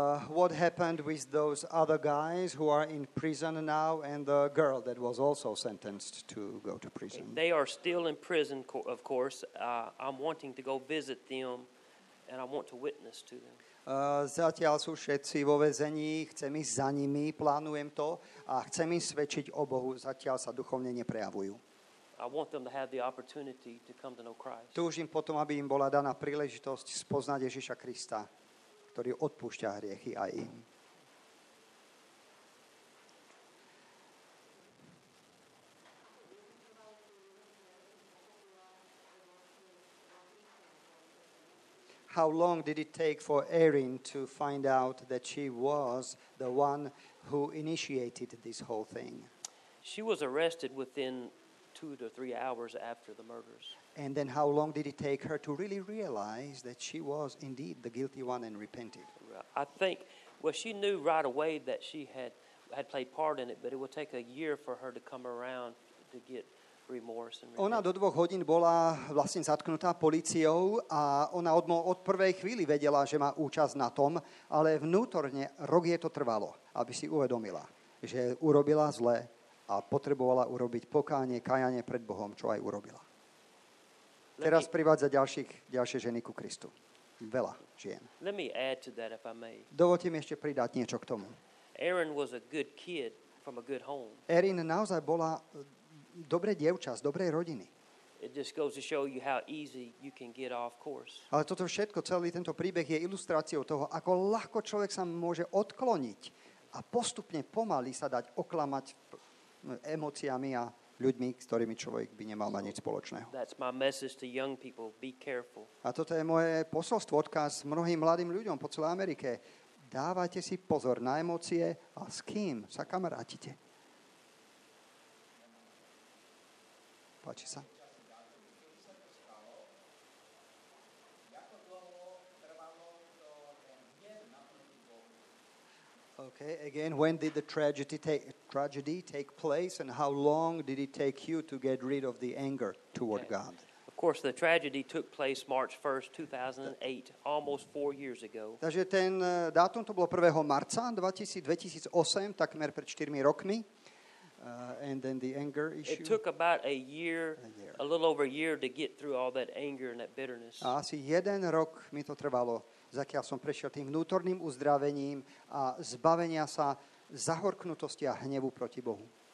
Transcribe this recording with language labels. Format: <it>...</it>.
<en>What happened with those other guys who are in prison now and the girl that was also sentenced to go to prison? They are still in prison, of course. I'm wanting to go visit them and I want to witness to them.</en> <sk>Zatiaľ sú všetci vo väzení, chcem ísť za nimi, plánujem to a chcem im svedčiť o Bohu, zatiaľ sa duchovne neprejavujú.</sk> <en>I want them to have the opportunity to come to know Christ.</en> <sk>Túžim potom, aby im bola daná príležitosť spoznať Ježiša Krista, ktorý odpúšťa hriechy aj im.</sk> <en>How long did it take for Erin to find out that she was the one who initiated this whole thing? She was arrested within 2 to 3 hours after the murders. And then how long did it take her to really realize that she was indeed the guilty one and repented? I think, well, she knew right away that she had played part in it, but it would take a year for her to come around to get remorse.</en> <sk>Ona do 2 hodín bola vlastne zatknutá políciou a ona od prvej chvíli vedela, že má účasť na tom, ale vnútorne rok jej to trvalo, aby si uvedomila, že urobila zle a potrebovala urobiť pokánie, kajanie pred Bohom, čo aj urobila. Teraz privádza ďalšie ženy ku Kristu. Veľa žien.</sk> <en>Let me add to that if I may.</en> <sk>Dovolte mi ešte pridať niečo k tomu.</sk> <en>Erin was a good kid from a good home.</en> <sk>Erin naozaj bola dobré dievča z dobrej rodiny.</sk> <en>It just goes to show you how easy you can get off course.</en> <sk>Ale toto všetko, celý tento príbeh je ilustráciou toho, ako ľahko človek sa môže odkloniť a postupne pomaly sa dať oklamať emóciami a ľuďmi, s ktorými človek by nemal mať nič spoločného.</sk> <en>That's my message to young people, be careful.</en> <sk>A toto je moje posolstvo, odkaz mnohým mladým ľuďom po celej Amerike. Dávajte si pozor na emócie a s kým sa kamarátite. Páči sa.</sk> <en>Okay, again, when did the tragedy take place and how long did it take you to get rid of the anger toward God? Of course, the tragedy took place March 1st, 2008, almost 4 years ago.</en> <sk>Takže ten dátum to bolo 1. marca 2008, takmer pred 4 rokmi.</sk> <en>And then the anger issue. It took about a year, a little over a year to get through all that anger and that bitterness.</en> <sk>A asi jeden rok mi to trvalo, zakiaľ som prešiel tým vnútorným uzdravením a zbavenia sa zahorknutosti a hnevu proti Bohu.</sk>